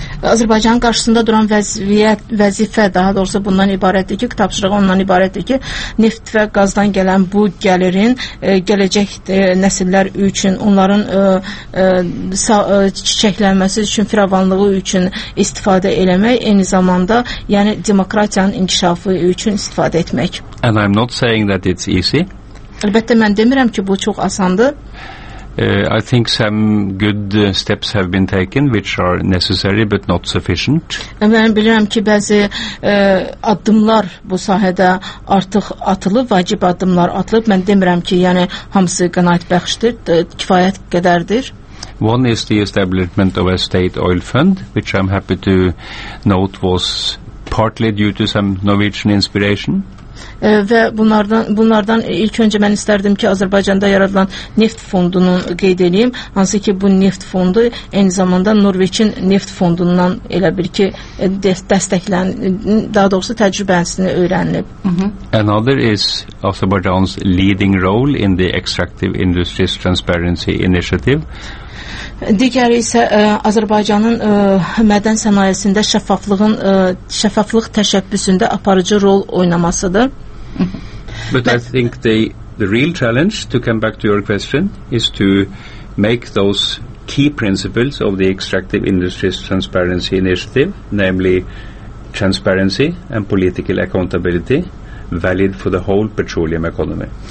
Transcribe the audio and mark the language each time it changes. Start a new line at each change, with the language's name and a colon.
Azerbaijani: Azərbaycanın qarşısında duran vəzifə daha doğrusu bundan ibarətdir ki, tapşırıq ondan ibarətdir ki, neft və qazdan gələn bu gəlirin gələcək nəsillər üçün, onların çiçəklənməsi üçün, firavanlığı üçün istifadə eləmək, eyni zamanda yəni demokratiyanın inkişafı üçün istifadə etmək.
English: And I'm not saying that it's easy.
Azerbaijani: Əlbəttə mən demirəm ki, bu çox asandır.
English: I think some good steps have been taken which are necessary but not sufficient.
Azerbaijani: Mən bilirəm ki, bəzi addımlar bu sahədə artıq atılıb, vacib addımlar atılıb. Mən demirəm ki, yəni hamısı qənaət bəxşdir, kifayət qədərdir.
English: One is the establishment of a state oil fund which I'm happy to note was partly due to some Norwegian inspiration.
Azerbaijani: Və bunlardan ilk öncə mən istərdim ki, Azərbaycanda yaradılan neft fondunu qeyd edeyim, hansı ki bu neft fondu eyni zamanda Norveçin neft fondundan elə bir ki, daha doğrusu təcrübəsini öyrənilib.
English: Another is Azerbaijan's leading role in the Extractive Industries Transparency Initiative.
Azerbaijani: Digəri isə Azərbaycanın mədən sənayesində şəffaflıq təşəbbüsündə aparıcı rol oynamasıdır.
English: But I think the real challenge, to come back to your question, is to make those key principles of the Extractive Industries Transparency Initiative, namely transparency and political accountability, valid for the whole petroleum economy.